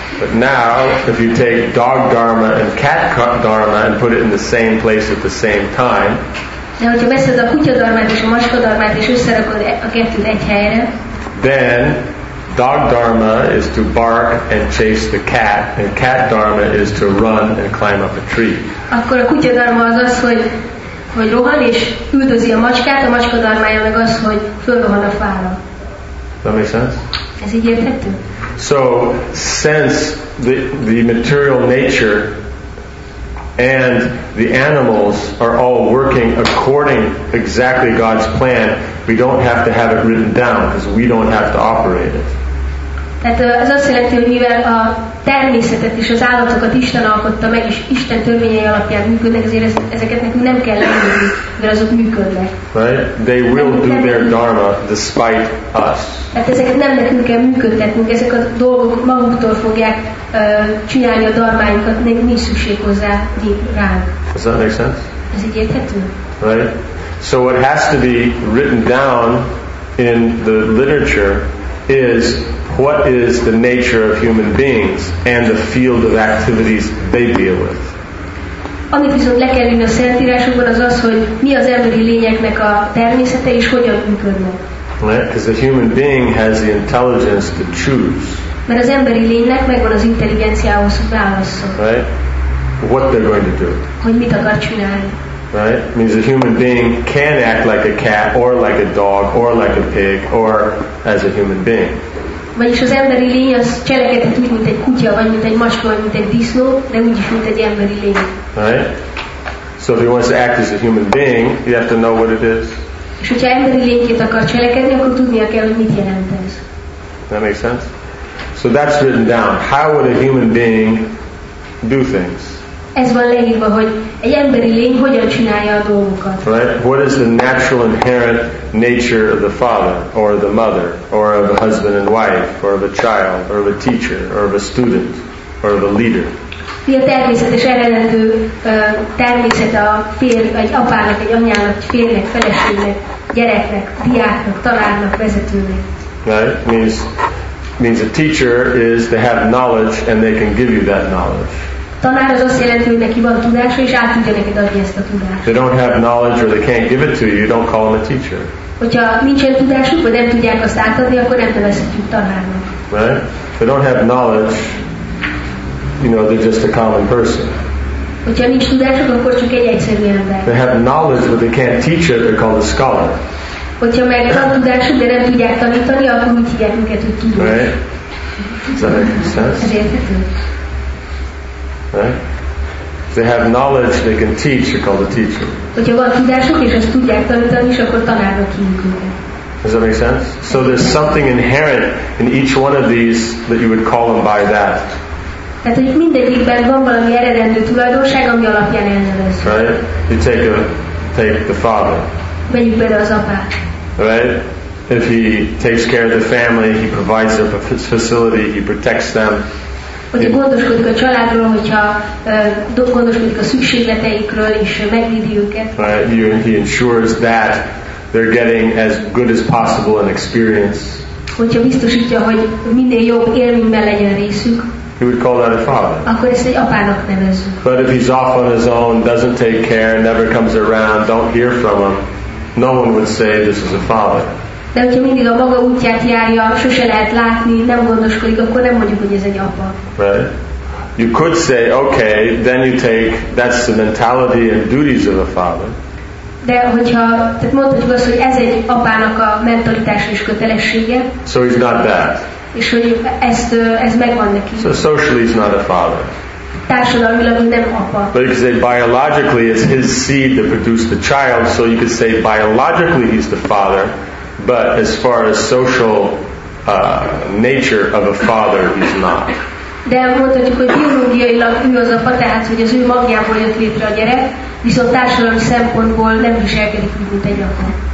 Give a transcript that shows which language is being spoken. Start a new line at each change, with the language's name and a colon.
English: But now, if you take dog dharma and cat dharma and put it in the same place at the same time,
Hungarian: de hogyha veszed a kutya dharmát és a macska dharmát és összerakod a kettőt egy helyre,
English: then dog dharma is to bark and chase the cat, and cat dharma is to run and climb up a tree.
Hungarian: Akkor a kutya dharma az az, hogy rohan és üldözi a macskát, a macska dharmája meg az, hogy fölrohan a fára.
English: That makes sense?
Hungarian: Ez így érthető?
English: So since the material nature and the animals are all working according exactly God's plan, we don't have to have it written down because we don't have to operate it.
Hungarian: Tehát ez azt jelenti, hogy mivel a természetet és az állatokat Isten alkotta meg, és Isten törvényei alapján működnek, ezért ezeket nekünk nem kell leírni, mert azok működnek.
English: Right? They will do their dharma despite us.
Hungarian: Tehát ezeket nem nekünk kell működtetnünk, ezek a dolgok maguktól fogják csinálni a dharmájukat, nekünk nincs szükség hozzá ránk.
English: Does that make sense?
Hungarian: Ez így érthető?
English: Right? So what has to be written down in the literature is what is the nature of human beings and the field of activities they deal with.
Hungarian: Amit viszont le kell írni a szentírásokban az az, hogy mi az emberi lényeknek a természete és hogyan működnek.
English: Because the human being has the intelligence to choose.
Hungarian: Mert az emberi lénynek megvan az intelligenciához, hogy válasszon.
English: Right? What they're going to do.
Hungarian: Hogy mit akar csinálni.
English: Right? Means a human being can act like a cat or like a dog or like a pig or as a human being.
Hungarian: Vagyis az emberi lény az cselekedhet úgy, mint egy kutya, vagy mint egy macska, vagy mint egy disznó, de úgy is, mint egy emberi lény.
English: Right? So if he wants to act as a human being, you have to know what it is.
Hungarian: És hogyha emberi lényként akar cselekedni, akkor tudnia kell, hogy mit jelent ez.
English: That makes sense? So that's written down. How would a human being do things?
Hungarian: Ez van leírva, hogy egy emberi lény hogyan csinálja a dolgokat.
English: Right? What is the natural inherent nature of the father, or the mother, or of a husband and wife, or of a child, or of a teacher, or of a student, or of a leader?
Hungarian: Mi a természetes eredendő természet a férj, egy apának, egy anyának, egy férjnek, feleségnek, gyereknek, diáknak, tanárnak, vezetőnek?
English: Right? Means a teacher is to have knowledge and they can give you that knowledge.
Hungarian: Tanár az azt jelenti, hogy neki van tudása, és át tudja neked adni ezt a tudást.
English: They don't have knowledge or they can't give it to you, you don't call them a teacher.
Hungarian: Hogyha nincsen tudásuk, vagy nem tudják azt átadni, akkor nem nevezhetjük tanárnak.
English: Right? They don't have knowledge, you know, they're just a common person.
Hungarian: Hogyha nincs tudásuk, akkor csak egy egyszerű ember.
English: They have knowledge, but they can't teach it, they're called a scholar.
Hungarian: Hogyha meg van tudásuk, de nem tudják tanítani, akkor úgy hívják minket, hogy tudós.
English: Right? Does that make sense? Right? If they have knowledge, they can teach, you're called a teacher. Does that make sense? So there's something inherent in each one of these that you would call them by that.
Hungarian: Tehát, hogy mindegyikben van valami eredendő tulajdonság, ami alapján elnevezhető.
English: Right? You take the father.
Hungarian: Vegyük bele az apát.
English: Right? If he takes care of the family, he provides a facility, he protects them.
Hungarian: Hogyha gondoskodik a családról, hogyha gondoskodik a szükségleteikről, és megvédi őket.
English: Right? He ensures that they're getting as good as possible an experience.
Hungarian: Hogyha biztosítja, hogy minden jobb élményben legyen részük.
English: He would call that a father.
Hungarian: Akkor ezt egy apának nevezzük.
English: But if he's off on his own, doesn't take care, never comes around, don't hear from him, no one would say this is a father.
Hungarian: De hogyha mindig a maga útját járja, sose lehet látni, nem gondoskodik, akkor nem mondjuk, hogy ez egy apa.
English: Right? You could say, okay, then you take, that's the mentality and duties of a father.
Hungarian: De hogyha, tehát mondhatjuk azt, hogy ez egy apának a mentalitása és kötelessége.
English: So he's not that.
Hungarian: És hogy ez megvan neki.
English: So socially he's not a father.
Hungarian: Társadalmilag nem apa.
English: But you could say biologically it's his seed that produced the child, so you could say biologically he's the father, but as far as social nature of a father, he's not.
Hungarian: De mondhatjuk, hogy biológiailag ő az apa, tehát hogy az ő magjából jött létre a gyerek, viszont társadalmi szempontból nem viselkedik, mint egy apa.